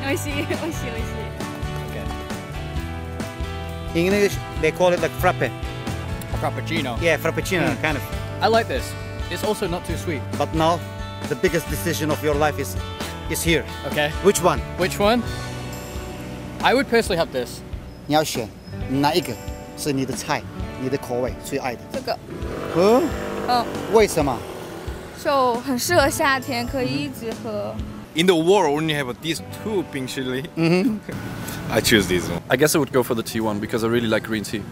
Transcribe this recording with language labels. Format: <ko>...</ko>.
<ja>Oishii, oishii, oishii.</ja> <en>In English, they call it like frappe. Frappuccino. Yeah, frappuccino, kind of. I like this. It's also not too sweet. But now, the biggest decision of your life is here. Okay. Which one? Which one? I would personally have this.</en> <zh>你要选哪一个是你的菜，你的口味最爱的？这个。 Huh? 为什么？就很适合夏天，可以一直喝。</zh> <en>In the world, only have these two</en> <zh>冰淇淋。嗯哼。</zh> <en>I choose this one. I guess I would go for the tea one because I really like green tea.</en>